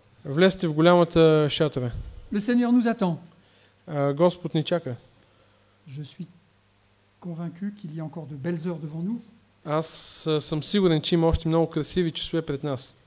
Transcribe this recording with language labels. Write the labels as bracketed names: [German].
[Bulgarian] Влезте в голямата шатра. [French] Le Seigneur nous attend. [Bulgarian] Господ ни чака. [French] Je suis convaincu qu'il y a encore de belles heures devant nous. [Bulgarian] Аз съм сигурен, че има още много красиви часове пред нас.